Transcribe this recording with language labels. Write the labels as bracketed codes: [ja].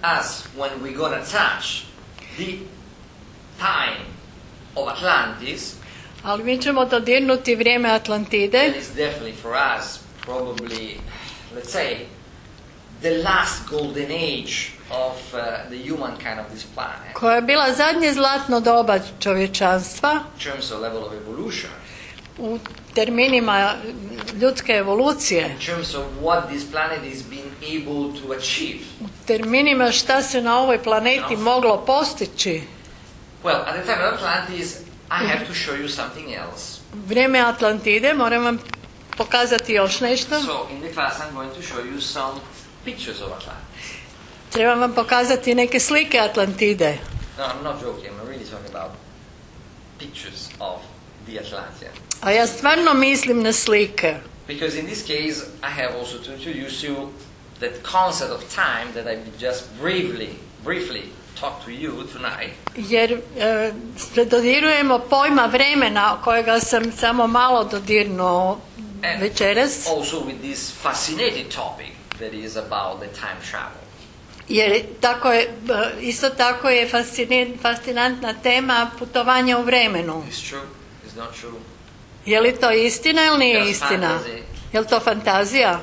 [en] As when we gonna touch the time of Atlantis. [hr] Ali mi ćemo dodirnuti vrijeme Atlantide. [en] That is definitely for us probably, let's say, the last golden age of the human kind of this planet. [hr] Koja je bila zadnje zlatno doba čovječanstva. [en] In terms of level of evolution. [hr] U terminima ljudske evolucije. [en] In terms of what this planet has been able to achieve. [hr] U terminima šta se na ovoj planeti moglo postići. [en] Well, at the time of Atlantis, I have to show you something else. [hr] Vrijeme Atlantide, moram vam pokazati još nešto. [en] So, in the class I'm going to show you some pictures of Atlantis. [hr] Trebam vam pokazati neke slike Atlantide. [en] No, I'm not joking. I'm really talking about pictures of the Atlantean. [hr] A ja stvarno mislim na slike. [en] Because in this case I have also to introduce you that concept of time that I just briefly talked to you tonight. [hr] Jer dodirujemo pojma vremena kojega sam samo malo dodirnuo večeras. [en] Also with this fascinating topic that is about the time travel. [hr] Jer tako je, isto tako je fascinantna tema putovanja u vremenu. [en] It's true. It's not true. [hr] Je li to istina ili nije istina? Je li to fantazija?